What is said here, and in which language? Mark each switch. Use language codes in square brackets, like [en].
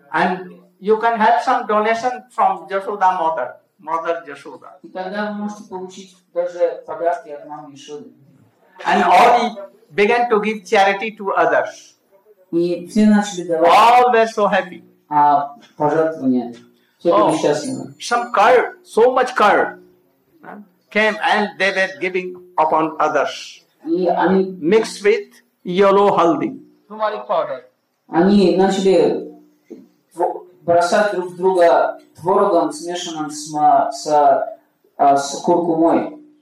[en] And you can have some donation from Yashoda mother, mother Yashoda. [ru] И тогда вы можете получить даже подарки от мамы Яшоды. [en] And all began to give charity to others. [ru] И все начали давать. [en] All were so happy. [ru] А пожертвования. Все были счастливы. [en] Some car, so much car, came and they were giving upon others. [ru] И они [en] mixed with yellow haldi. Turmeric powder. [ru] Они начали бросать друг друга творогом, смешанным с куркумой.